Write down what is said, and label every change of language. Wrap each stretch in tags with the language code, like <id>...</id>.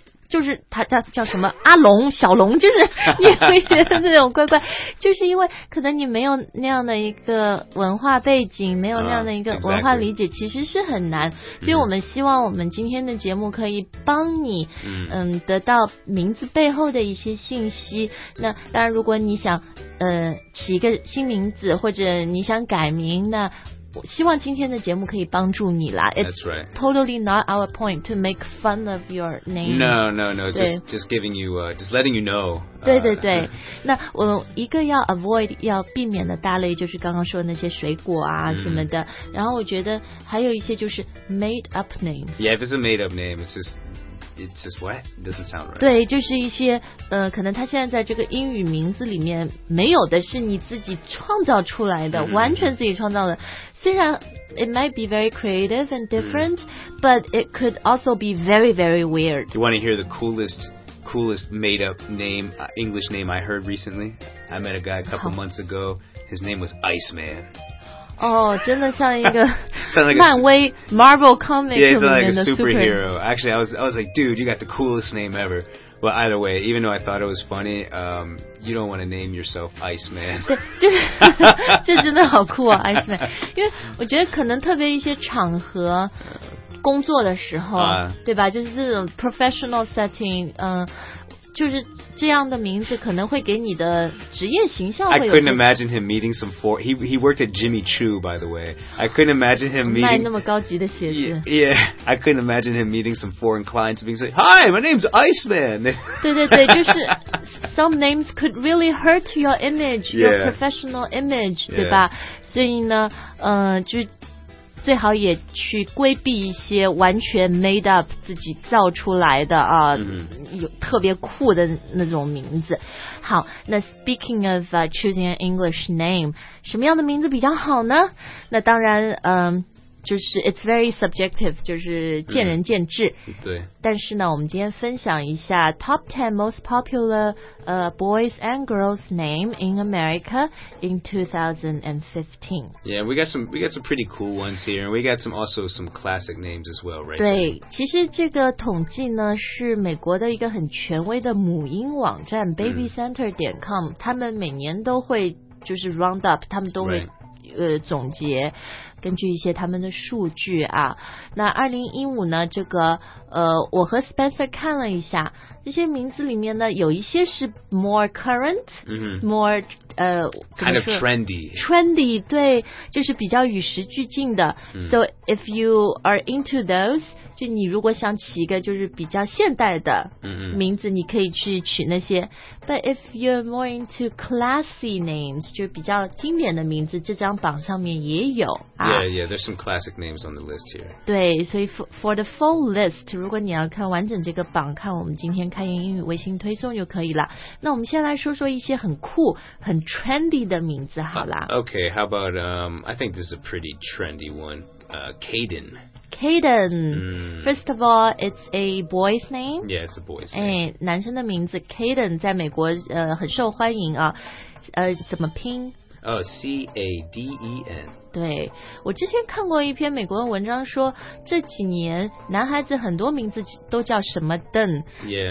<zh>就是他叫什么阿龙小龙，就是你会觉得那种怪怪，就是因为可能你没有那样的一个文化背景，没有那样的一个文化理解，其实是很难。所以我们希望我们今天的节目可以帮你得到名字背后的一些信息。那当然如果你想起一个新名字，或者你想改名，那我希望今天的节目可以帮助你啦。</zh> <en>That's right. Totally not our point to make fun of your name. No. Just giving you, just letting you know.</en> <zh>对对对。那我一个要 avoid, 要避免的大类就是刚刚说的那些水果啊什么的。然后我觉得还有一些就是</zh> <en>made up names. Yeah, if it's a made up name, it's just, it's just what? It doesn't sound right.</en> <zh>对，就是一些可能他现在在这个英语名字里面没有的是你自己创造出来的、mm-hmm. 完全自己创造的。虽然</zh> <en>it might be very creative and different,、mm-hmm. but it could also be very, very weird. You want to hear the coolest made up name,、English name I heard recently? I met a guy a couple months ago. His name was Iceman.</en> <zh>Oh, 真的像一个漫威 Marvel Comics 里面的 superhero.</zh> <en>Actually, I was like, dude, you got the coolest name ever. But either way, even though I thought it was funny, you don't want to name yourself Iceman.</en> <zh>对，这真的好酷啊 ，Iceman. 因为我觉得可能特别一些场合工作的时候，对吧？就是这种</zh> <en>professional setting,</en> <zh>就是这样的名字可能会给你的职业形象会有些</zh> <en>I couldn't imagine him meeting some he worked at Jimmy Choo, by the way. I couldn't imagine him meeting</en> <zh>卖那么高级的鞋子</zh> <en>I couldn't imagine him meeting some foreign clients being like, Hi, my name's Iceman.</en> <zh>对对对，就是</zh> <en>Some names could really hurt your image, your professional image,</en> <zh>对吧？所以呢，就最好也去规避一些完全</zh> <en>made up</en> <zh>自己造出来的啊、有特别酷的那种名字。好，那</zh> <en>speaking of choosing an English name,</en> <zh>什么样的名字比较好呢？那当然，就是</zh> <en>it's very subjective,</en> <zh>就是见仁见智。对。但是呢，我们今天分享一下</zh> <en>top 10 most popular boys and girls name in America in 2015. Yeah, we got some pretty cool ones here, and we got some classic names as well, right?</en> <zh>对，其实这个统计呢是美国的一个很权威的母婴网站 babycenter.com, 他们每年都会就是</zh> <en>round up,</en> <zh>他们都会、</zh> <en>right.</en> <zh>总结根据一些他们的数据啊，那2015呢，这个我和 Spencer 看了一下这些名字里面呢，有一些是</zh> <en>more current、 mm-hmm. more kind of trendy</en> <zh>对，就是比较与时俱进的、mm-hmm.</zh> <en>so if you are into those</en> <zh>就你如果想起一个就是比较现代的名字、 mm-hmm. 你可以去取那些</zh> <en>but if you're more into classy names</en> <zh>就比较经典的名字这张榜上面也有</zh> <en>Yeah, there's some classic names on the list here.</en> <zh>对，所以</zh> <en>for the full list,</en> <zh>如果你要看完整这个榜，看我们今天开英语微信推送就可以了。那我们先来说说一些很酷、很 trendy 的名字好啦。</zh> <en>Okay, how about, I think this is a pretty trendy one, Caden. Caden, first of all, it's a boy's name. Yeah, it's a boy's name.</en> <zh>哎，男生的名字 Caden 在美国很受欢迎啊。怎么拼？</zh> <en>Caden.</en> <zh>对，我之前看过一篇美国的文章说，这几年男孩子很多名字都叫什么 Den、</zh> <en>yeah.</en>